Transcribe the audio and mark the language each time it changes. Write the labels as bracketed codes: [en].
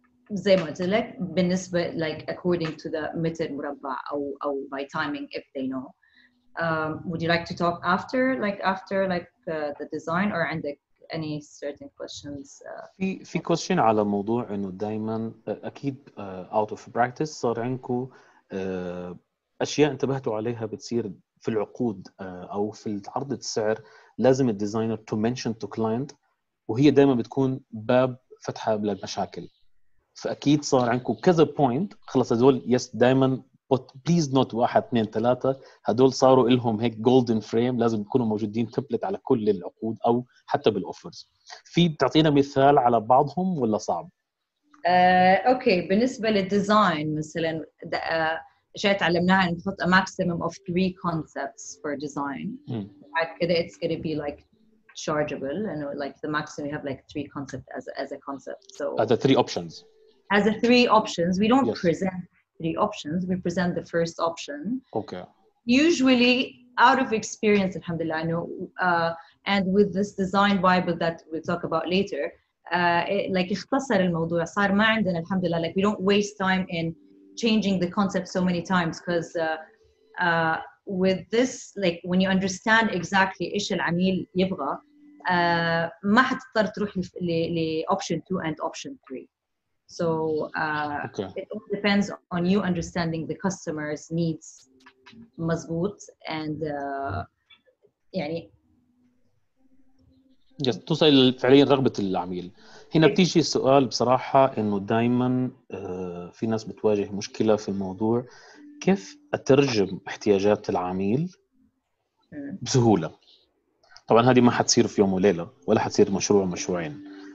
[ar] زي ما قلت لك بالنسبة [en] like according to the [ar] متر مربع أو [en] by timing if they know. Would you like to talk after the design or [ar] عندك [en] any certain questions? [ar] في question على موضوع إنه دائما أكيد [en] out of practice [ar] صار عندكم أشياء انتبهتوا عليها بتصير في العقود أو في عرض السعر لازم الديزاينر [en] to mention to client, [ar] وهي دائما بتكون باب فتحة للمشاكل. فأكيد صار عندكم كذا بوينت خلص هدول يس دائما [en] but please note [ar] 1 2 3 هدول صاروا لهم هيك جولدن فريم لازم يكونوا موجودين تمبلت على كل العقود او حتى بالاوفرز. في بتعطينا مثال على بعضهم ولا صعب؟ اوكي بالنسبه للديزاين مثلا شيء تعلمناها نحط [en] a maximum of 3 concepts for design. [ar] بعد كده [en] it's going to be like chargeable and like the maximum you have like 3 concepts as a concept. So as the 3 options. As the 3 options, we don't present 3 options, we present the first option. Okay. Usually out of experience, alhamdulillah, I know, and with this design bible that we'll talk about later, like [ar] اختصر الموضوع صار ما عندنا [en] alhamdulillah, like we don't waste time in changing the concept so many times because with this, like when you understand exactly [ar] ايش العميل يبغى, ما حتضطر تروح لاوبشن 2 [en] and option 3. So it all depends on you understanding the customer's needs [ar] مزبوط [en] and يعني [ar] yes, توصل فعليا رغبة العميل. هنا بتيجي السؤال بصراحة انه دايما في ناس بتواجه مشكلة في الموضوع, كيف أترجم احتياجات العميل بسهولة؟ طبعاً هذه ما حتصير في يوم وليلة ولا حتصير مشروع مشروعين.